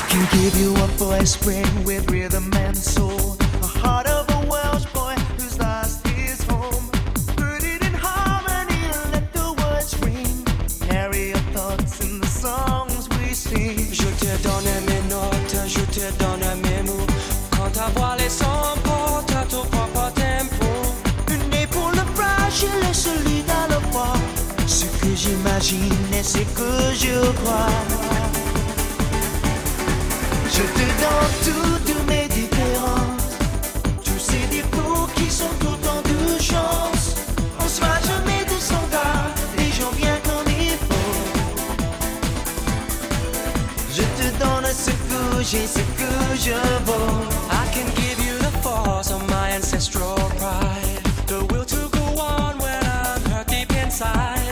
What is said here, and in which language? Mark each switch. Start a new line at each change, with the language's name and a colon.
English: Give you a boy spring with rhythm and soul, a heart of a Welsh boy who's lost his home. Put it in harmony, let the words ring, carry your thoughts in the songs we sing.
French: Je te donne mes notes, je te donne mes mots. Quand ta voix les emporte à ton propre tempo, une épaule fragile et solide à la fois. Ce que j'imagine et ce que je crois. Je te donne toutes mes différences, tous ces défauts qui sont autant de chance. On se va jamais de son gars, les gens viennent quand il faut. Je te donne ce que j'ai, ce que je vaux.
English: I can give you the force of my ancestral pride, the will to go on when I'm hurt deep inside.